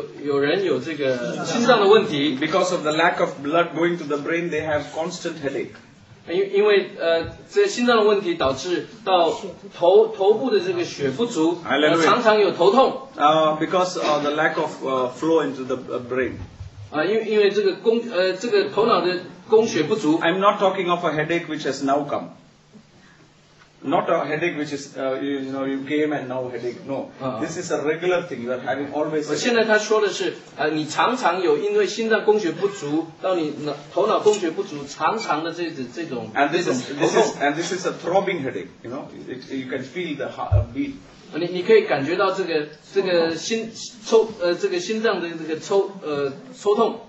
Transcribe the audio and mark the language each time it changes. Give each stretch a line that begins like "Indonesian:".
Chinese: 你们中间有人有这个心脏的问题。
English: Because of the lack of blood going to the brain, they have constant headache.
Chinese: 因为这心脏的问题导致到头部的这个血不足，
English: Hallelujah.
Chinese: 常常有头痛。
English: Because of the lack of flow into the brain.
Chinese: 因为这个头脑的供血不足。
English: I'm not talking of a headache which has now come. Not a headache which is, you came and now headache. No. This is a regular thing. You are having always.
Chinese: 现在他说的是，你常常有因为心脏供血不足，到你头脑供血不足，常常的这种。
English: And this is a throbbing headache. You know, you can feel the heartbeat.
Chinese: 你可以感觉到这个心脏的这个抽痛。